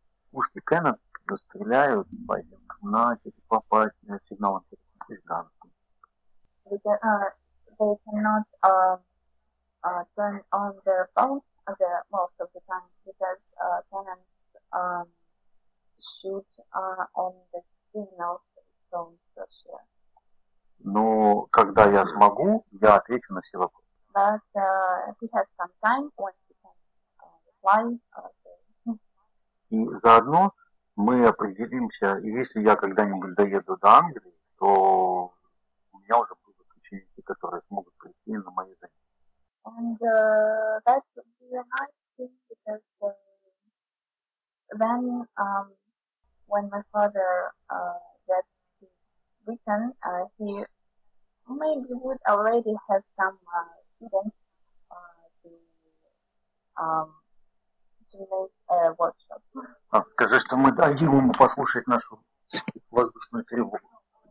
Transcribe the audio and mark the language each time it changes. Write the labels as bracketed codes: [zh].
[ru] Пушки Кеннон стреляют на телефон по сигналам телефона. [en] They cannot turn on their phones most of the time because cannons shoot on the signals phones just yet. [ru] Но когда я смогу, я отвечу на все вопросы. [en] But he has some time when he can reply. [ru] И заодно мы определимся, если я когда-нибудь доеду до Англии, то у меня уже будут ученики, которые смогут прийти на мои занятия. [en] And that would be a nice thing, because then when my father gets to Britain, he maybe would already have some students to make a workshop. [ru] Скажи, что мы дадим ему послушать нашу воздушную тревогу.